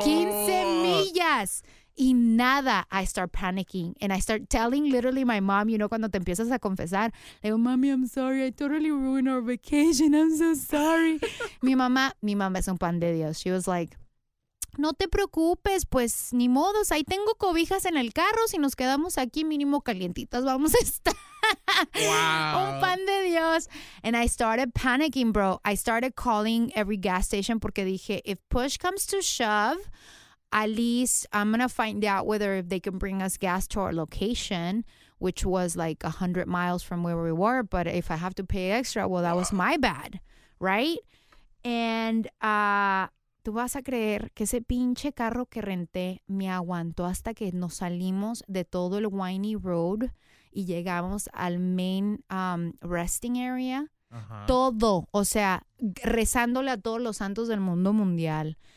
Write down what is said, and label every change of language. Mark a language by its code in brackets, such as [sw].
[es] 15 millas y nada. [en] I start panicking and I start telling literally my mom, you know, [es] cuando te empiezas a confesar, le digo, mami, [en] I'm sorry, I totally ruined our vacation, I'm so sorry. [es] mi mamá es un pan de Dios. [en] She was like, [es] no te preocupes, pues ni modos, ahí tengo cobijas en el carro, si nos quedamos aquí mínimo calientitas vamos a estar. Wow. Un pan de Dios. [en] And I started panicking, bro. I started calling every gas station [es] porque dije, [en] if push comes to shove, at least I'm going to find out whether if they can bring us gas to our location, which was like 100 miles from where we were. But if I have to pay extra, well, that was my bad, right? [es] And tú vas a creer que ese pinche carro que renté me aguantó hasta que nos salimos de todo el winding road y llegamos al main resting area. Uh-huh. Todo, o sea, rezándole a todos los santos del mundo mundial.